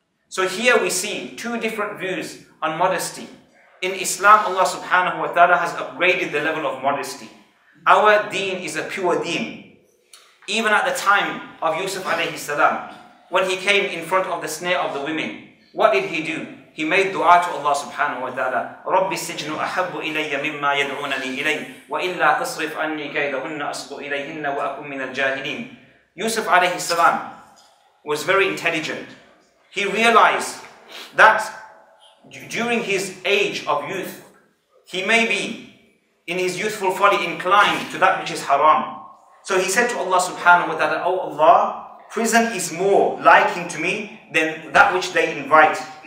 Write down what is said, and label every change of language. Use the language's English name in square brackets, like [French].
[English] So here we see two different views on modesty. In Islam, Allah subhanahu wa ta'ala has upgraded the level of modesty. Our deen is a pure deen. Even at the time of Yusuf alayhi salam, when he came in front of the snare of the women, what did he do? He made dua to Allah subhanahu wa ta'ala. [Arabic] رَبِّ السِّجْنُ أَحَبُّ إِلَيَّ مِمَّا يَدْعُونَنِي إِلَيْهِ وَإِلَّا تَصْرِفْ عَنِّي كَيْدَهُنَّ أَصْبُ إِلَيْهِنَّ وَأَكُمْ مِنَ الْجَاهِلِينَ [English] Yusuf alayhi salam was very intelligent. He realized that during his age of youth, he may be in his youthful folly inclined to that which is haram. So he said to Allah subhanahu wa ta'ala, O Allah, prison is more liking to me than that which they invite.